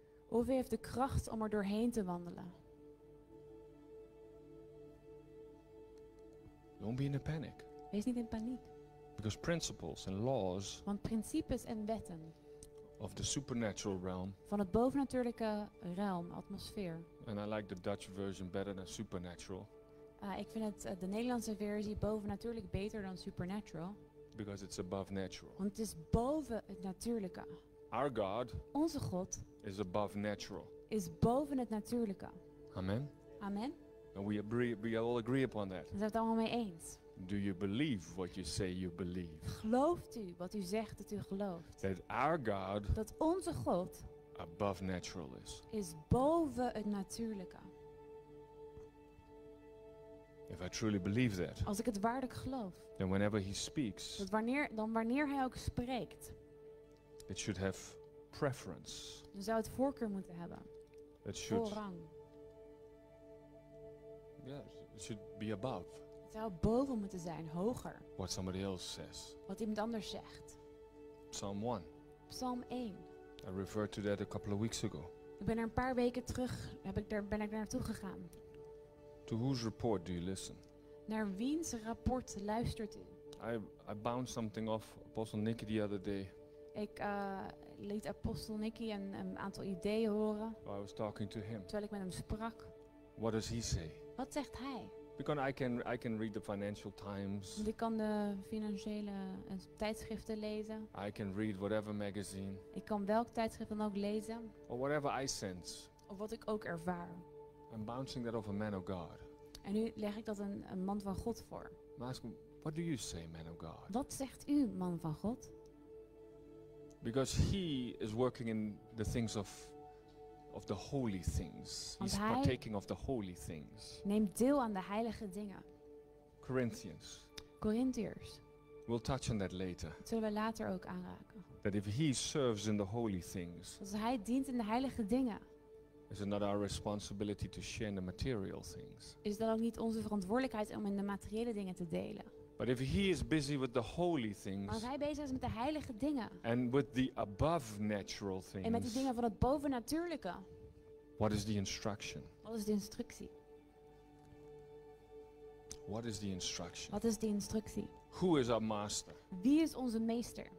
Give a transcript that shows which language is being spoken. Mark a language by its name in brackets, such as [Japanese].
[Dutch] Of je hebt de kracht om er doorheen te wandelen. [English] Don't be in a panic. [Dutch] Wees niet in paniek. [English] Because principles and laws. [Dutch] Want principes en wetten. [English] Of the supernatural realm. [Dutch] Van het bovennatuurlijke realm, atmosfeer. [English] And I like the Dutch version better than supernatural. [Dutch] Ik vind het de Nederlandse versie bovennatuurlijk beter dan supernatural. [English] Because it's above natural. [Dutch] Want het is boven het natuurlijke. [English] Our God. [Dutch] Onze God. [English] Is above natural. [Dutch] Is boven het natuurlijke. Amen. Amen. [English] And we all agree upon that. [Dutch] We zijn het allemaal mee eens. [English] Do you believe what you say you believe? [Dutch] Gelooft u wat u zegt dat u gelooft? [English] That our God. [Dutch] Dat onze God. [English] Above natural is. [Dutch] Is boven het natuurlijke. [English] If I truly believe that. [Dutch] Als ik het waarlijk geloof. [English] Then whenever he speaks. [Dutch] Dan wanneer hij ook spreekt. [English] It should have preference. [Dutch] Dan zou het voorkeur moeten hebben. [English] It should. [Dutch] Voorrang. [English] Yes, it should be above. [Dutch] Het zou boven moeten zijn, hoger. [English] What somebody else says. [Dutch] Wat iemand anders zegt. [English] Psalm 1. [Dutch] Psalm 1. [English] I referred to that a couple of weeks ago. [Dutch] Ik ben er een paar weken terug, ben ik daar naartoe gegaan. [English] To whose report do you listen? [Dutch] Naar wiens rapport luistert u? [English] I bounced something off Apostel Nicky the other day. [Dutch] Ik liet Apostel Nicky een aantal ideeën horen. [English] While I was talking to him. [Dutch] Terwijl ik met hem sprak. [English] What does he say? [Dutch] Wat zegt hij? [English] Because I can read the Financial Times. [Dutch] Ik kan de financiële tijdschriften lezen. [English] I can read whatever magazine. [Dutch] Ik kan welk tijdschrift dan ook lezen. [English] Or whatever I sense. [Dutch] Of wat ik ook ervaar. [English] I'm bouncing that off a man of God. [Dutch] En nu leg ik dat een man van God voor. [English] Ask him, what do you say, man of God? [Dutch] Wat zegt u, man van God? [English] Because he is working in the things of the holy things. [Dutch] Want [English] he's partaking of the holy things. [Dutch] Neemt deel aan de heilige dingen. [English] Corinthians. [Dutch] Corinthiërs. [English] We'll touch on that later. [Dutch] Dat zullen we later ook aanraken. [English] That if he serves in the holy things. [Dutch] Als hij dient in de heilige dingen. [English] Is it not our responsibility to share in the material things? [Dutch] Is dat ook niet onze verantwoordelijkheid om in de materiële dingen te delen? [English] But if he is busy with the holy things, [Dutch] maar als hij bezig is met de heilige dingen, [English] and with the above natural things, [Dutch] en met die dingen van het bovennatuurlijke, [English] what is the instruction? [Dutch] Wat is de instructie? [English] What is the instruction? [Dutch] Wat is de instructie? [English] Who is our master? [Dutch] Wie is onze meester?